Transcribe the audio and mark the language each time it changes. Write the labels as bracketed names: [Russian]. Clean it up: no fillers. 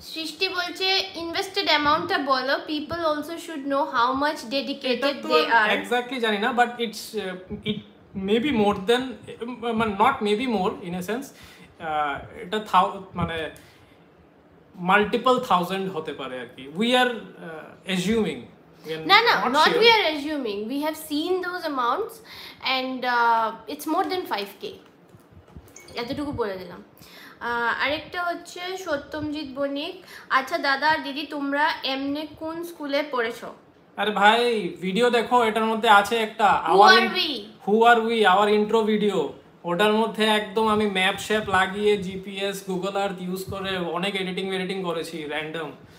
[Bangla] সৃষ্টি বলছে ইনভেস্টেড অ্যামাউন্টটা বলো, [English] People also should know how much dedicated they are. [Bangla] Exactly জানি না, [English] but it's it may be more than, মানে not may be more in a sense, [Bangla] এটা মানে মাল্টিপল থাউজেন্ড হতে পারে আর কি, [English] We are assuming. No, no, not we are assuming. We have seen those amounts and it's more than 5K. [Bangla] এতটুকু বলে দিলাম। আরেকটা হচ্ছে সত্যমজিৎ বণিক, আচ্ছা দাদা আর দিদি তোমরা এমনে কোন স্কুলে পড়েছো? আরে ভাই ভিডিও দেখো, এটার মধ্যে আছে একটা হু আর উই আওয়ার ইন্ট্রো ভিডিও, ওটার মধ্যে একদম আমি ম্যাপ শ্যাপ লাগিয়ে জিপিএস গুগল আর্থ ইউজ করে অনেক এডিটিং এডিটিং করেছি র্যান্ডম,